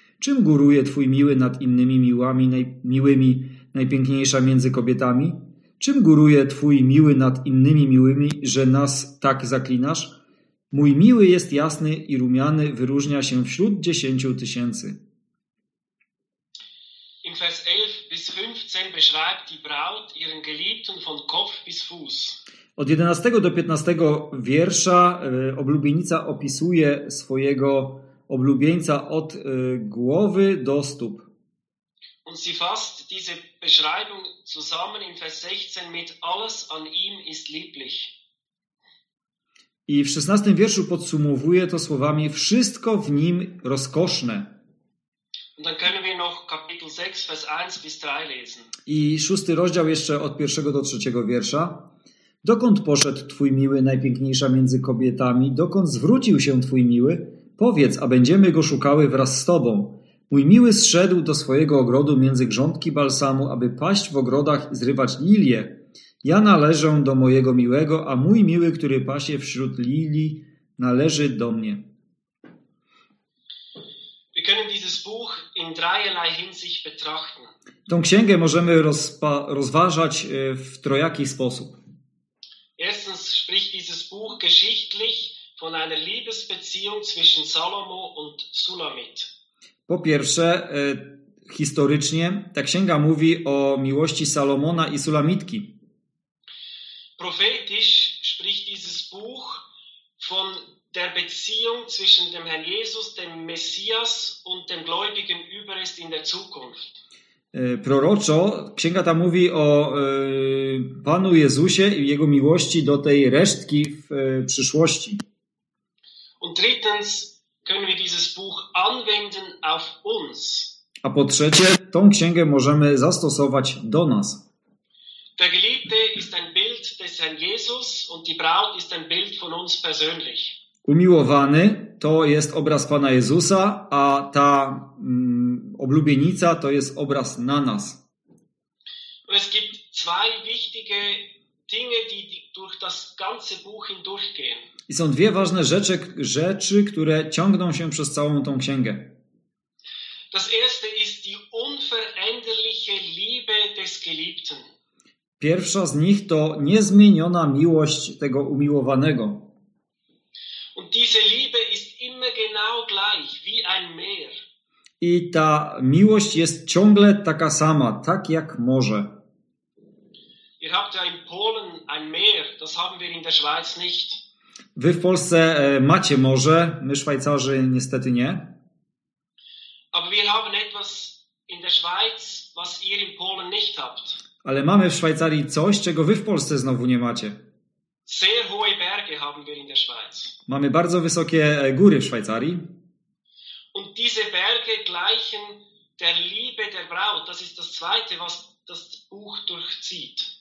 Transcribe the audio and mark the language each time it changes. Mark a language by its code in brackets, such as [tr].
[pl] Czym góruje twój miły nad innymi miłami, miłymi, najpiękniejsza między kobietami? Czym góruje twój miły nad innymi miłymi, że nas tak zaklinasz? Mój miły jest jasny i rumiany, wyróżnia się wśród 10 000. [de] In Vers 11 bis 15 beschreibt die Braut ihren Geliebten von Kopf bis Fuß. [pl] Od 11 do 15 wiersza oblubienica opisuje swojego oblubieńca od głowy do stóp. [de] Und sie fasst diese Beschreibung zusammen in Vers 16 mit alles an ihm ist lieblich. [pl] I w 16 wierszu podsumowuje to słowami wszystko w nim rozkoszne. [de] Und dann können wir noch Kapitel 6 Vers 1 bis 3 lesen. [pl] I 6 rozdział jeszcze od 1 do 3 wiersza. Dokąd poszedł Twój miły, najpiękniejsza między kobietami? Dokąd zwrócił się Twój miły? Powiedz, a będziemy go szukały wraz z Tobą. Mój miły zszedł do swojego ogrodu między grządki balsamu, aby paść w ogrodach i zrywać lilie. Ja należę do mojego miłego, a mój miły, który pasie wśród lilii, należy do mnie. [de] Wir können dieses Buch in dreierlei Hinsicht betrachten. [pl] Tą księgę możemy rozważać w trojaki sposób. [de] Erstens spricht dieses Buch geschichtlich von einer Liebesbeziehung zwischen Salomo und Sulamit. [pl] Po pierwsze, historycznie ta księga mówi o miłości Salomona i Sulamitki. [de] Prophetisch spricht dieses Buch von der Beziehung zwischen dem Herrn Jesus, dem Messias und dem gläubigen Überrest in der Zukunft. [pl] Proroczo księga ta mówi o Panu Jezusie i jego miłości do tej resztki w przyszłości. [de] Und drittens können wir dieses Buch anwenden auf uns. [pl] A po trzecie, tą księgę możemy zastosować do nas. [de] Der Geliebte ist ein Bild des Herrn Jesus und die Braut ist ein Bild von uns persönlich. [pl] Umiłowany to jest obraz Pana Jezusa, a ta oblubienica to jest obraz na nas. [de] Es gibt zwei wichtige Dinge, die durch das ganze Buch hindurchgehen. [pl] I są dwie ważne rzeczy, które ciągną się przez całą tą księgę. [de] Das erste ist die unveränderliche Liebe des Geliebten. [pl] Pierwsza z nich to niezmieniona miłość tego umiłowanego. [de] Und diese Liebe ist immer genau gleich, wie ein Meer. [pl] I ta miłość jest ciągle taka sama, tak jak morze. [de] Ihr habt ja in Polen ein Meer, das haben wir in der Schweiz nicht. [pl] Wy w Polsce macie morze, my Szwajcarzy niestety nie. [de] Aber wir haben etwas in der Schweiz, was ihr in Polen nicht habt. [pl] Ale mamy w Szwajcarii coś, czego wy w Polsce znowu nie macie. [de] Sehr hohe Berge haben wir in der Schweiz. [pl] Mamy bardzo wysokie góry w Szwajcarii. [de] Und diese Berge gleichen der Liebe der Braut. Das ist das zweite, was das Buch durchzieht.